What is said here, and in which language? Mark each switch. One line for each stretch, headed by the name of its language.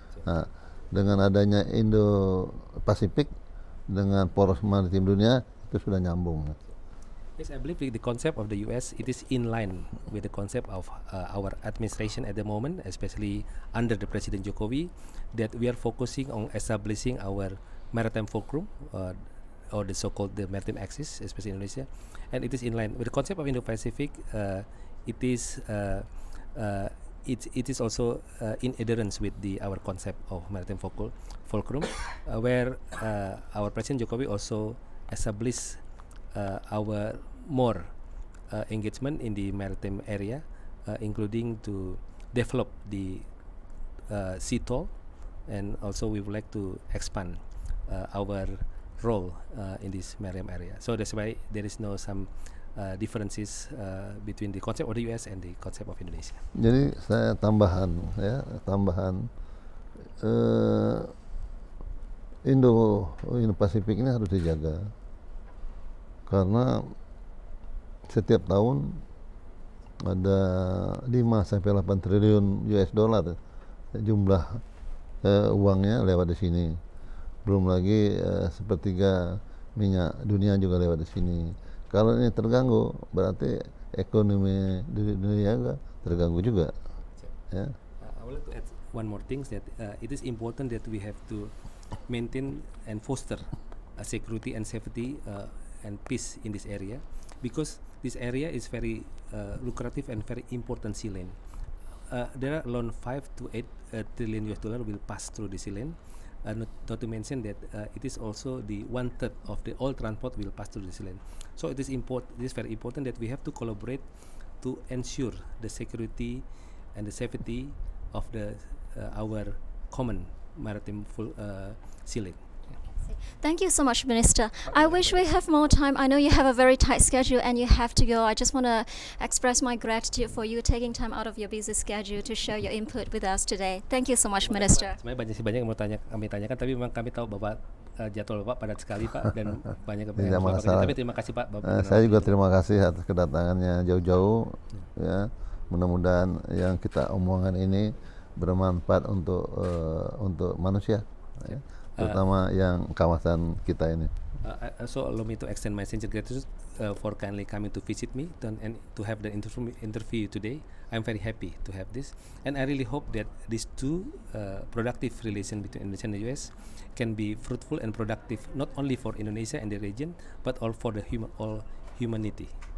Indonesian: Nah, dengan adanya Indo Pasifik dengan poros maritim dunia itu sudah nyambung.
English: Yes, I believe the concept of the US, it is in line with the concept of our administration at the moment, especially under the President Jokowi, that we are focusing on establishing our maritime fulcrum or the so-called the maritime axis, especially Indonesia. And it is in line with the concept of Indo-Pacific. It is also in adherence with our concept of maritime fulcrum, where our President Jokowi also establish our more engagement in the maritime area, including to develop the sea toll, and also we would like to expand our role in this maritime area. So that's why there is no some differences between the concept of the US and the concept of Indonesia.
Indonesian: Jadi saya tambahan ya, tambahan Indo-Pasifik ini harus dijaga, karena setiap tahun ada 5 sampai 8 triliun US dollar jumlah uangnya lewat di sini. Belum lagi sepertiga minyak dunia juga lewat di sini. Kalau ini terganggu, berarti ekonomi dunia juga terganggu juga.
English: Yeah. I would like to add one more thing, that it is important that we have to maintain and foster security and safety and peace in this area, because this area is very lucrative and very important sea lane. There are alone 5 to 8 trillion US dollar will pass through the sea lane. Not to mention that it is also the 1/3 of the all transport will pass through the sea lane. So it is important. It is very important that we have to collaborate to ensure the security and the safety of the our common maritime full sea lane. Thank you so much, Minister. I wish we have more time. I know you have a very tight schedule and you have to go. I just want to express my gratitude for you taking time out of your busy schedule to share your input with us today. Thank you so much, Minister.
Indonesian: Sebenarnya banyak sih banyak yang mau tanya, kami tanyakan, tapi memang kami tahu Bapak jadwal Bapak padat sekali, Pak, dan banyak kepentingan. Tapi terima kasih, Pak. Bapak saya juga terima kasih atas kedatangannya jauh-jauh. Ya, mudah-mudahan yang kita omongkan ini bermanfaat untuk manusia. Ya. Terutama yang kawasan kita ini.
English: So allow me to extend my sincere gratitude for kindly coming to visit me and to have the interview today. I'm very happy to have this, and I really hope that these two productive relations between Indonesia and the US can be fruitful and productive not only for Indonesia and the region, but all for the all humanity.